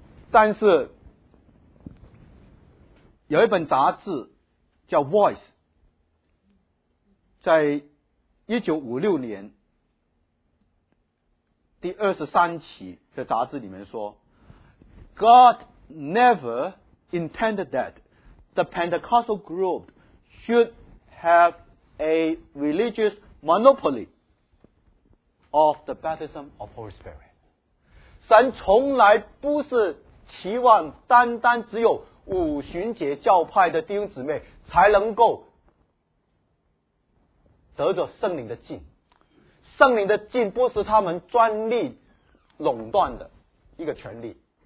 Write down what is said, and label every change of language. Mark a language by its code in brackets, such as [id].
[zh] 但是有一本杂志叫 Voice，在1956年第23期的杂志里面说， [en] God never intended that the Pentecostal group should have a religious monopoly of the baptism of Holy Spirit. [zh] 神从来不是期望单单只有五旬节教派的弟兄姊妹才能够得着圣灵的浸，圣灵的浸不是他们专利垄断的一个权利